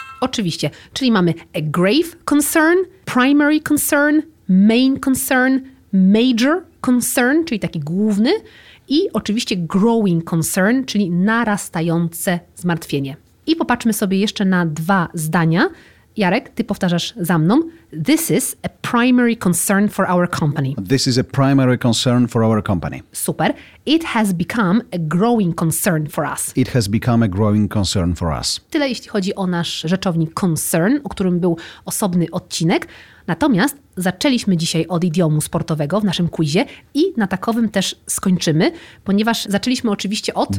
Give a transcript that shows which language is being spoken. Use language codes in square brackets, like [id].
[pl] Oczywiście, czyli mamy [en] a grave concern, primary concern, main concern, major concern, [pl] czyli taki główny i oczywiście growing concern, czyli narastające zmartwienie. I popatrzmy sobie jeszcze na dwa zdania. Jarek, ty powtarzasz za mną. [en] This is a primary concern for our company. This is a primary concern for our company. [pl] Super. [en] It has become a growing concern for us. It has become a growing concern for us. [pl] Tyle jeśli chodzi o nasz rzeczownik concern, o którym był osobny odcinek. Natomiast zaczęliśmy dzisiaj od idiomu sportowego w naszym quizie i na takowym też skończymy, ponieważ zaczęliśmy oczywiście od...